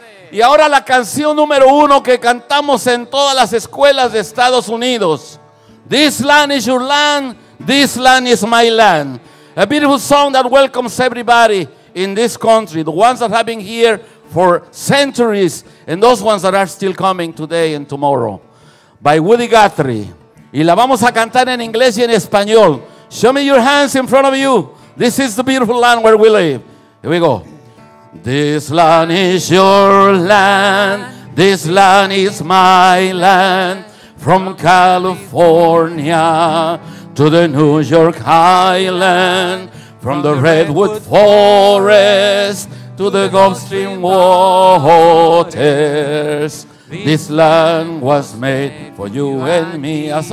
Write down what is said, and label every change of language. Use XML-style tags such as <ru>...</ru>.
<es>Y ahora la canción número uno que cantamos en todas las escuelas de Estados Unidos:</es> <en>This land is your land, this land is my land. A beautiful song that welcomes everybody in this country. The ones that have been here for centuries and those ones that are still coming today and tomorrow. By Woody Guthrie.</en> <es>Y la vamos a cantar en inglés y en español.</es> <en>Show me your hands in front of you. This is the beautiful land where we live. Here we go. This land is your land. This land is my land. From California to the New York Highland, from the Redwood Forest to the Gulf Stream waters, this land was made for you and me.</en>